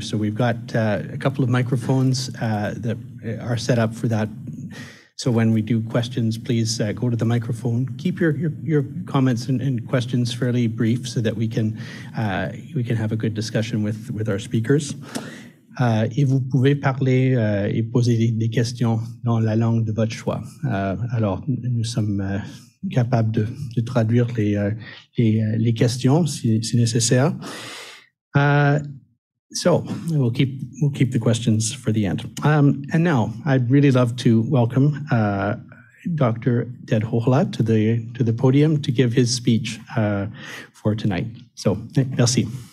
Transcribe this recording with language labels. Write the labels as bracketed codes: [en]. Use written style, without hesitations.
[en] So we've got a couple of microphones that are set up for that. So when we do questions, please go to the microphone. Keep your comments and questions fairly brief so that we can have a good discussion with our speakers. [fr] Et vous pouvez parler et poser des questions dans la langue de votre choix. Alors, nous sommes capables de traduire les questions si nécessaire. [en] So we'll keep the questions for the end. And now I'd really love to welcome Dr. Ted Hohola to the podium to give his speech for tonight. So [fr] merci.